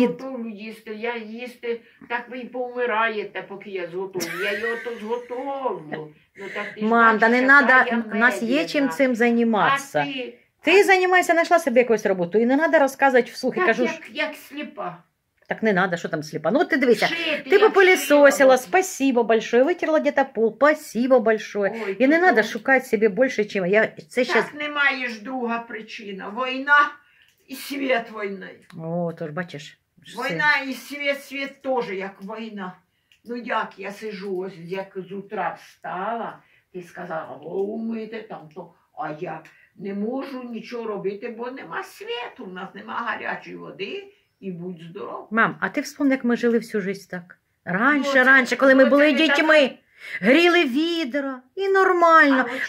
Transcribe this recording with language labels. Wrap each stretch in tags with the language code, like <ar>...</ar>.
<uk>готую їсти, я їсти, так ви й повмираєте, поки я зготовлю, я його то зготовлю. Ну, мам, та не треба, нас є чим цим займатися. А ти? Ти займаєшся, знайшла собі якусь роботу, і не треба розказувати вслух, так, і кажу, як сліпа. Так не треба, що там сліпа. Ну, ти дивися, ти попилісосила,</uk> <ru>спасибо большое,</ru> <uk>витерла где-то пол, спасибо большое. Ой, і не треба шукати собі більше, чим я. Це так щас... немає ж друга причина. Війна і світ війни. О, то ж бачиш,</uk> <ru>Война и свет тоже, как война. Ну, как я сижу, ось, как с утра встала, ты сказала, о, умыть там то, а я не могу ничего делать, бо нема света, у нас нема горячей воды, и будь здоров. Мам, а ты вспомни, как мы жили всю жизнь так? Раньше, когда мы были детьми.</ru> <uk>Грели відра, і нормально.</uk>